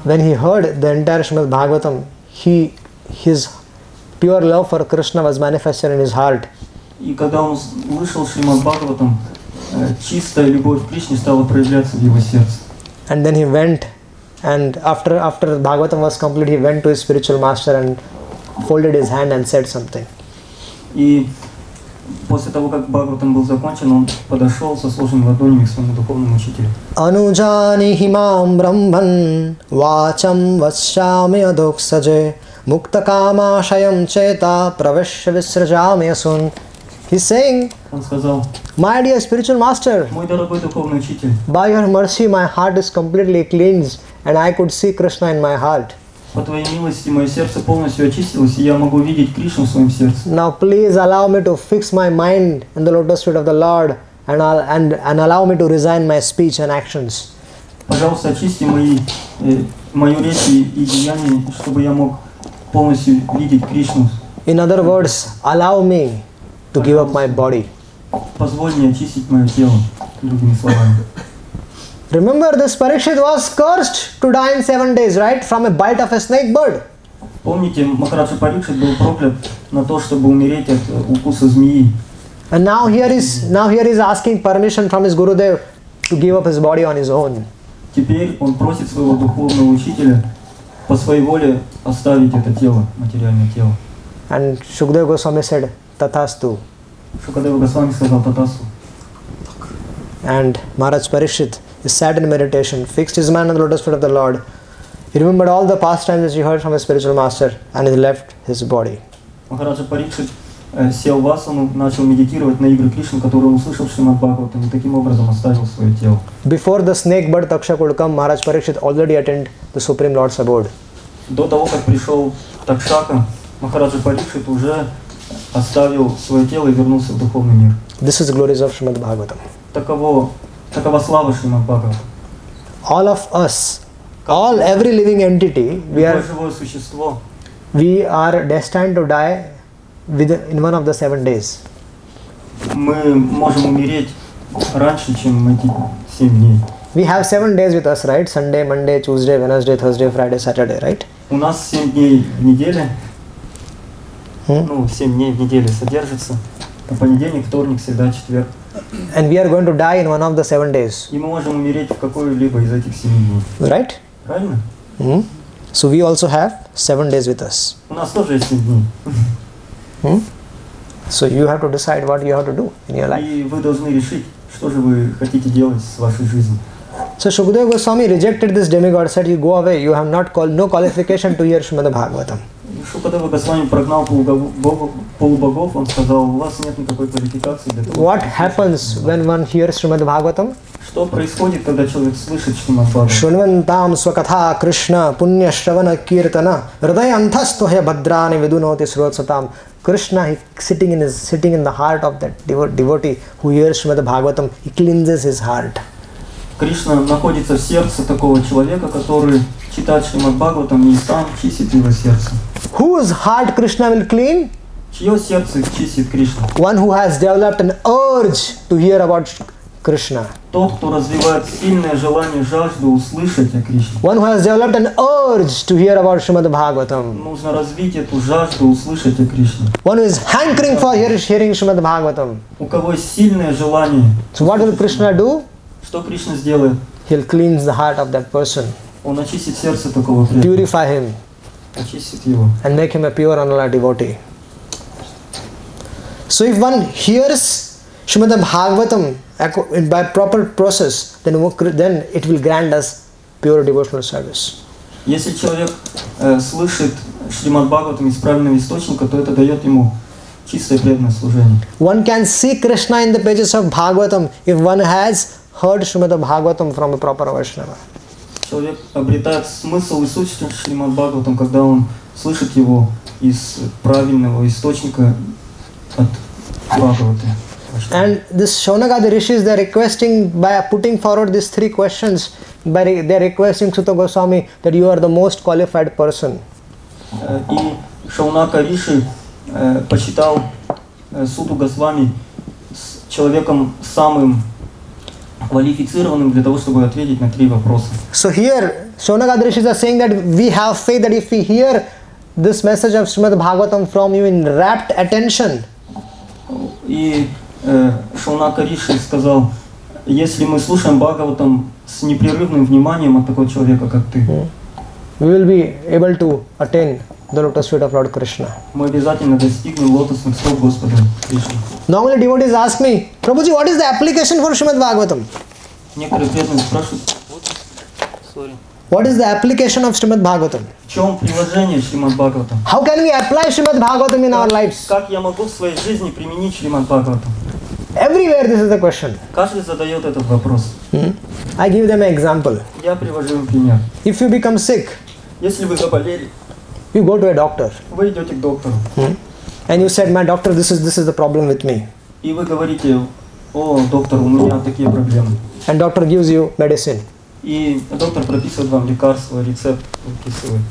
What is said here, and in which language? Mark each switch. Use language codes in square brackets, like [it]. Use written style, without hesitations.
[en] when he heard the entire Srimad Bhagavatam, his pure love for Krishna was manifested in his heart. [ru] И когда он услышал Srimad Bhagavatam, чистая любовь к Кришне стала проявляться в его сердце. [en] And then he went. And after Bhagavatam was complete, he went to his spiritual master and folded his hand and said something. [ru] И после того как Бхагаватам был закончен, он подошел со сложенными ладонями к своему духовному учителю. [sa] Anujani himam brahman vacham vashyami adoksaje mukta kama shayam cheta pravesh visrajami asun. [en] He's saying, my dear spiritual master, by your mercy my heart is completely cleansed and I could see Krishna in my heart. Now please allow me to fix my mind in the lotus feet of the Lord and allow me to resign my speech and actions. [ru] Пожалуйста, очисти мою речь и деяния, чтобы я мог полностью видеть Кришну. [en] In other words, allow me to give up my body. [ru] Позволь мне очистить мое тело, другими словами. [en] Remember, this Parikshit was cursed to die in 7 days, right? From a bite of a snake bird. [ru] Помните, Махарадж Парикшит был проклят на то, чтобы умереть от укуса змеи. [en] And now here is asking permission from his Gurudev to give up his body on his own. [ru] Теперь он просит своего духовного учителя по своей воле оставить это тело, материальное тело. [en] And Shukadeva Goswami said, Tathastu. [ru] Shukadeva Goswami сказал, Tathastu. [en] And Maharaj Parikshit, he sat in meditation, fixed his mind on the lotus feet of the Lord. He remembered all the past times which he heard from his spiritual master and he left his body. [ru] Maharaj Parikshit сел в асану, начал медитировать на игры Кришны, которые он услышал Srimad Bhagavatam, и таким образом оставил свое тело. [en] Before the snake bird Taksha could come, Maharaj Parikshit already attained the Supreme Lord's abode. [ru] До того, как пришел Такшака, Махараджа Парикшит уже оставил свое тело и вернулся в духовный мир. [en] This is the glories of Srimad Bhagavatam. [ru] Такова слава Srimad Bhagavatam. [en] All of us, all every living entity, we are destined to die in one of the 7 days. [ru] Мы можем умереть раньше, чем эти 7 дней. [en] We have 7 days with us, right? Sunday, Monday, Tuesday, Wednesday, Thursday, Friday, Saturday, right? [ru] У нас 7 дней в неделе. Ну, 7 дней в неделе содержится. На понедельник, вторник, среда, четверг. [en] And we are going to die in one of the 7 days. [ru] И мы можем умереть в какой-либо из этих 7 дней. [en] Right? [ru] Правильно? [en] So we also have 7 days with us. [ru] У нас тоже есть 7 дней. [en] So you have to decide what you have to do in your life. [ru] И вы должны решить, что же вы хотите делать с вашей жизнью. [en] So Shukadeva Goswami rejected this demigod, said, you go away, you have no qualification to hear Srimad Bhagavatam. [ru] Shukadeva Goswami прогнал полубогов, он сказал, у вас нет никакой квалификации для того. [en] What happens when one hears Srimad Bhagavatam? [ru] Что происходит, когда человек слышит Srimad Bhagavatam? [sa] Шунвантам свакатха Кришна пунья шравана киртана рдай антхастухе бадрани ведуноти сруатсатам. [en] Krishna, he sitting in the heart of that devotee who hears Srimad Bhagavatam, he cleanses his heart. [ru] Кришна находится в сердце такого человека, который читает Шримад Бхагаватам и сам чистит его сердце. [en] Whose heart Krishna will clean? [ru] Чье сердце чистит Кришна? [en] One who has developed an urge to hear about Krishna. [ru] Тот, кто развивает сильное желание, жажду услышать о Кришне. [en] One who has developed an urge to hear about Shrimad Bhagavatam. [ru] Нужно развить эту жажду услышать о Кришне. [en] One who is hankering for hearing Shrimad Bhagavatam. [ru] У кого есть сильное желание. [en] So what will Krishna do? [ru] Что Кришна сделает? [en] He'll cleanse the heart of that person. [ru] Он очистит сердце такого преданного. [en] Purify him. and make him a pure Anala devotee. So if one hears Srimad Bhagavatam by proper process, then it will grant us pure devotional service. [ru] Если человек слышит Шримад Бхагаватам из правильного источника, то это дает ему чистое преданное служение. [en] One can see Krishna in the pages of Bhagavatam if one has heard Shrimad Bhagavatam from a proper Vaishnava. [ru] Человек обретает смысл и суть Шримад Бхагаватам, когда он слышит его из правильного источника от Бхагаваты. [en] And this Shaunagada Rishis, they are requesting by putting forward these three questions, they are requesting Sutta Goswami that you are the most qualified person. [ru] И Шаунака Риши посчитал Суту Госвами человеком самым квалифицированным для того, чтобы ответить на три вопроса. [en] So here, Shaunagada Rishis are saying that we have faith that if we hear this message of Srimad Bhagavatam from you in rapt attention. [ru] И Шаунака Риши сказал, если мы слушаем Бхагаватам с непрерывным вниманием от такого человека, как ты, [en] we will be able to attain the lotus feet of Lord Krishna. [ru] Мы обязательно достигнем лотосных стоп Господа Кришны. [en] Normally devotees ask me, Prabhuji, what is the application for Srimad Bhagavatam? [ru] Некоторые преданные спрашивают, [en] what is the application of Srimad Bhagavatam? [ru] В чем приложение Srimad Bhagavatam? [en] How can we apply Srimad Bhagavatam in our lives? [ru] Как я могу в своей жизни применить Srimad Bhagavatam? [en] Everywhere this is the question. [ru] Каждый задает этот вопрос. [en] I give them an example. [ru] Я привожу пример. [en] If you become sick, [ru] если вы заболели, [en] you go to a doctor. [ru] Вы идете к доктору. [en] And you said, my doctor, this is the problem with me. [ru] И вы говорите, о, доктор, у меня такие проблемы. [en] And doctor gives you medicine. [ru] И доктор прописывает вам лекарство, рецепт выписывает.